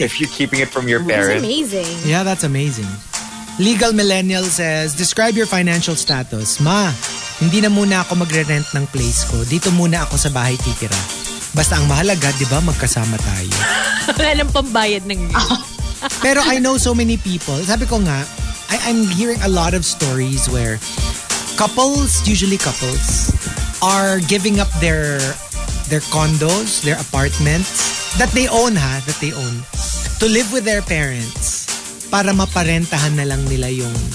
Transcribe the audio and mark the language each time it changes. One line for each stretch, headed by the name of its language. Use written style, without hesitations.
English: If you're keeping it from your parents. That's amazing. Yeah, that's amazing. Legal Millennial says, describe your financial status.
Filipino: Ma, hindi na muna ako magre-rent ng place ko. Dito muna ako sa bahay titira. Basta ang mahalaga, di ba, magkasama tayo. Wala ng pambayad ng mga.
English: Pero I know so many people.
Filipino: Sabi ko nga,
English: I'm hearing a lot of stories where couples, usually couples, are giving up their condos, their apartments that they own, ha? That they own. To live with their parents
Filipino: para maparentahan na lang nila yung...